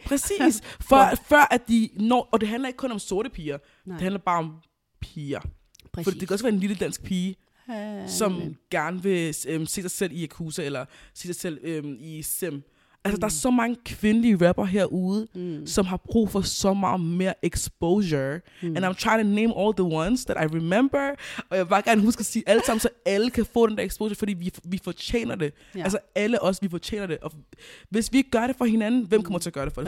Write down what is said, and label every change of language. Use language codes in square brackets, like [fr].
[da] Præcis, før at de når, og det handler ikke kun om sorte piger, nej. Det handler bare om piger. Præcis. For det kan også være en lille dansk pige, som gerne vil se sig selv i Yakuza, eller se sig selv i Sim. Altså, der er så mange kvindelige rapper herude, som har brug for så meget mere exposure. Mm. [en] And I'm trying to name all the ones that I remember. [da] Og jeg vil bare gerne huske at sige alle sammen, så alle kan få den der exposure, fordi vi fortjener det. Yeah. Altså, alle os, vi fortjener det. Og hvis vi ikke gør det for hinanden, hvem kommer til at gøre det for os?